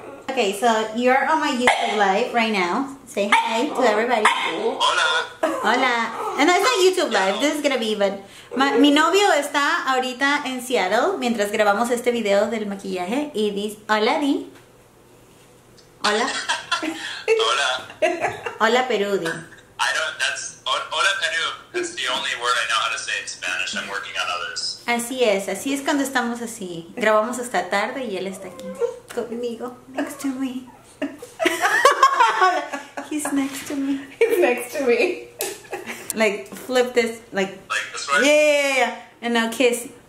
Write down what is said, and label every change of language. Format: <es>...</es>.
<en>Okay, so you're on my YouTube live right now. Say hi to everybody.</en> <es>Hola. Hola.</es> <en>And it's not YouTube live. This is gonna be but</en> <es>mi novio está ahorita en Seattle mientras grabamos este video del maquillaje y dice hola Di. Hola. Hola. Hola Perú Di. Hola Perú.</es> <en>That's the only word I know how to say in Spanish. I'm working on others.</en> <es>Así es cuando estamos así. Grabamos hasta tarde y él está aquí conmigo.</es> <en>Next to me. He's next to me. He's next to me. Like, flip this, like... Like this way? Yeah, yeah, yeah. And now kiss.</en>